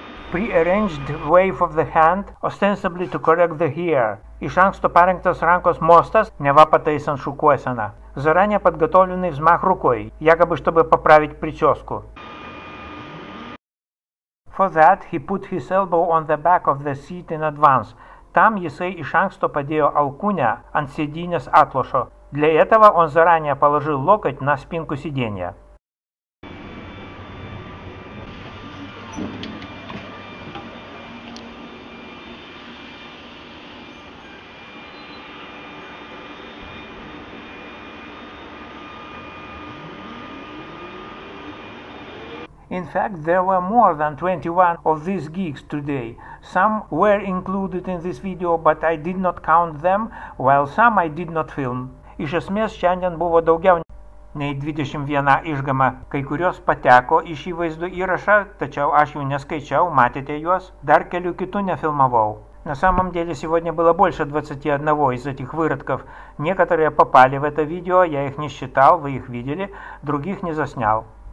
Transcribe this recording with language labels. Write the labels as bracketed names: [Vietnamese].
[English] Pre-arranged wave of the hand, ostensibly to correct the hair. [Lithuanian] Iš anksto parengtas rankos mostas, neva pataisant šukuoseną. [Russian] Заранее подготовленный взмах рукой, якобы чтобы поправить прическу. [English] For that, he put his elbow on the back of the seat in advance. [Russian] Там [Lithuanian] jisai iš anksto padėjo alkūnę ant sėdynės atlošo. [Russian] Для этого он заранее положил локоть на спинку сиденья. [English] In fact, there were more than 21 of these gigs today. Some were included in this video, but I did not count them, while some I did not film. [Lithuanian] Iš esmės, šiandien buvo daugiau nei 21 išgama. Kai kurios pateko į šį vaizdo įrašą, tačiau aš jų neskaičiau, matėte juos. Dar kelių kitų nefilmavau. [Russian] На самом деле, сегодня было больше 21 из этих выродков. Некоторые попали в это видео, я их не считал, вы их видели, других не заснял.